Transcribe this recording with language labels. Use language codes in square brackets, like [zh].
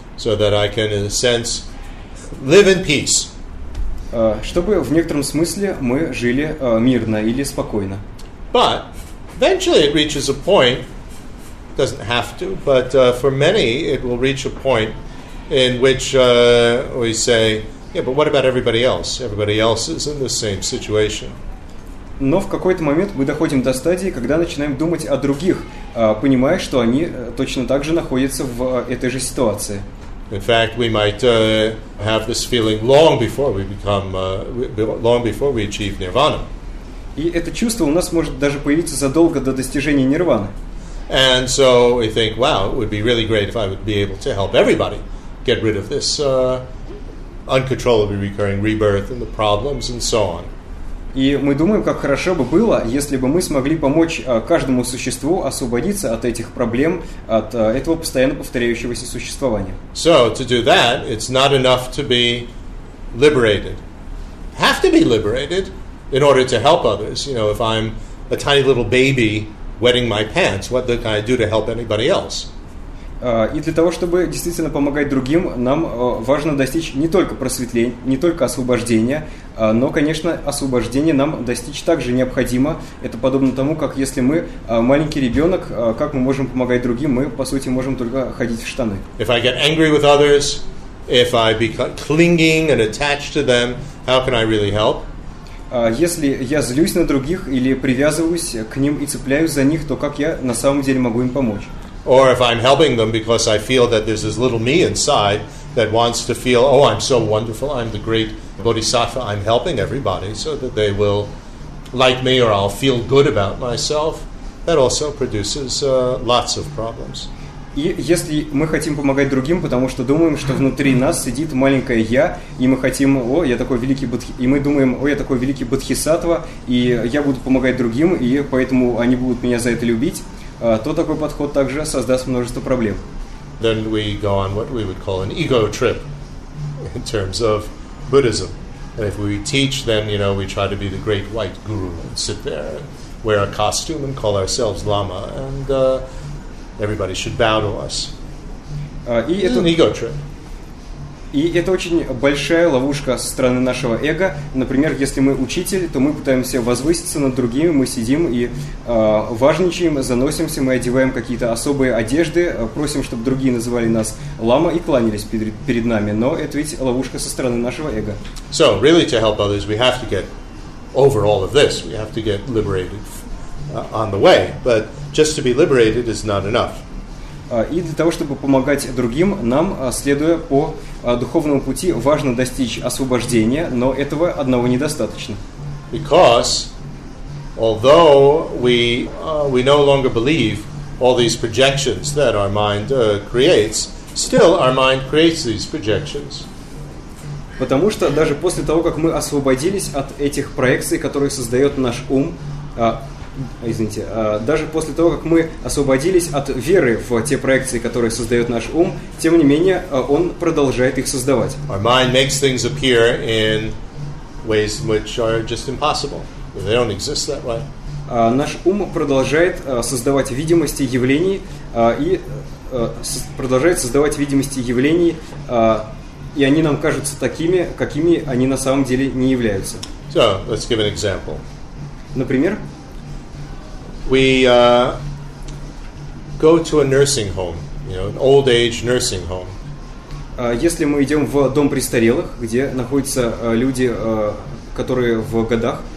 [en] So that I can, in a sense, live in peace. [ru] Чтобы в некотором смысле мы жили мирно или спокойно. [en] But eventually it reaches a point doesn't have to, but for many, it will reach a point in which we say, yeah, but what about everybody else? Everybody else is in the same situation. [ru] Но в какой-то момент мы доходим до стадии, когда начинаем думать о других, понимая, что они точно так же находятся в этой же ситуации. [en] In fact, we might have this feeling long before we become, long before we achieve nirvana. [ru] И это чувство у нас может даже появиться задолго до достижения нирваны. [en] And so we think, wow, it would be really great if I would be able to help everybody get rid of this uncontrollably recurring rebirth and the problems and so on. [ru] И мы думаем, как хорошо бы было, если бы мы смогли помочь каждому существу освободиться от этих проблем, от этого постоянно повторяющегося существования. [en] So, to do that, it's not enough to be liberated. Have to be liberated in order to help others. You know, if I'm a tiny little baby wetting my pants, what can I do to help anybody else? [ru] И для того, чтобы действительно помогать другим, нам важно достичь не только просветления, не только освобождения, но, конечно, освобождение нам достичь также необходимо. Это подобно тому, как если мы маленький ребенок, как мы можем помогать другим? Мы, по сути, можем только ходить в штаны. [en] If I get angry with others, if I become clinging and attached to them, how can I really help? [ru] Если я злюсь на других или привязываюсь к ним и цепляюсь за них, то как я на самом деле могу им помочь? [en] Or if I'm helping them because I feel that there's this little me inside that wants to feel, oh, I'm so wonderful, I'm the great bodhisattva, I'm helping everybody so that they will like me or I'll feel good about myself, that also produces lots of problems. [ru] И если мы хотим помогать другим, потому что думаем, что внутри нас сидит маленькое я, и мы хотим, о, я такой великий бодхисаттва, и мы думаем, о, я такой великий бодхисаттва, и я буду помогать другим, и поэтому они будут меня за это любить, то такой подход также создаст множество проблем. [en] Then we go on what we would call an ego trip in terms of Buddhism. And if we teach, then, you know, we try to be the great white guru and sit there and wear a costume and call ourselves lama and everybody should bow to us. It's an ego trip. [ru] И это очень большая ловушка со стороны нашего эго. Например, если мы учитель, то мы пытаемся возвыситься над другими, мы сидим и важничаем, заносимся, мы одеваем какие-то особые одежды, просим, чтобы другие называли нас лама и кланялись перед нами. Но это ведь ловушка со стороны нашего эго. [en] So, really, to help others, we have to get over all of this. We have to get liberated on the way. But just to be liberated is not enough. [ru] И для того, чтобы помогать другим, нам, следуя по духовному пути, важно достичь освобождения, но этого одного недостаточно. [en] Because, although we no longer believe all these projections that our mind creates, still our mind creates these projections. [ru] Потому что даже после того, как мы освободились от этих проекций, которые создает наш ум, извините, даже после того, как мы освободились от веры в те проекции, которые создает наш ум, тем не менее, он продолжает их создавать. [en] Our mind makes things appear in ways which are just impossible. They don't exist that way. [ru] Наш ум продолжает создавать видимости явлений и продолжает создавать видимости явлений, и они нам кажутся такими, какими они на самом деле не являются. [en] So, let's give an example. [ru] Например, [en] we go to a nursing home, you know, an old age nursing home. [ru] Если мы идем в дом престарелых, где находятся люди, которые в годах.